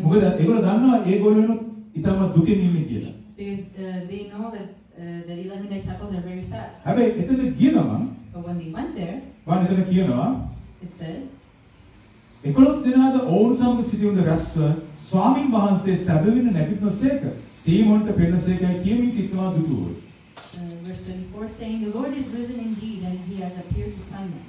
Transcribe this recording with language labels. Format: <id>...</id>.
<si>මොකද ඒගොල්ල දන්නවා ඒ ගොල්ලනොත් ඉතම දුකින් ඉන්නේ කියලා.</si> <en>They know that the 11 disciples are very sad.</en> <si>හැබැයි එතන ගියනම</si> <en>when they went there</en> <si>වන් එතන කියනවා</si> <en>it says</en> <si>එකොළොස් දිනාද ඔවුන් සමග සිටි උන් රැස්ව ස්වාමින් වහන්සේ සැබවින් නැගිටනසේක සීමොන්ට පෙනසේකයි කියමින් සිටවා දුටුවෝ.</si> <en>Verse 24 saying, the Lord is risen indeed and he has appeared to Simon.</en>